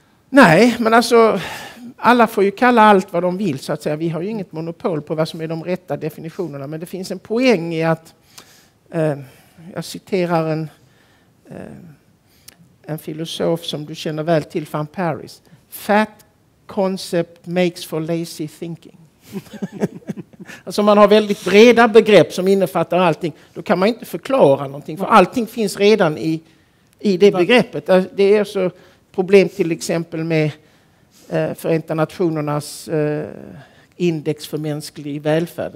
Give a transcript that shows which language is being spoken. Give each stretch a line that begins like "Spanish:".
Swedish: Nej, men alltså alla får ju kalla allt vad de vill så att säga. Vi har ju inget monopol på vad som är de rätta definitionerna. Men det finns en poäng i att, jag citerar en filosof som du känner väl till, Van Paris.
English: Fat concept makes for lazy thinking.
Swedish: Alltså man har väldigt breda begrepp som innefattar allting. Då kan man inte förklara någonting. För allting finns redan i det begreppet. Det är så problem till exempel med Förenta Nationernas index för mänsklig välfärd.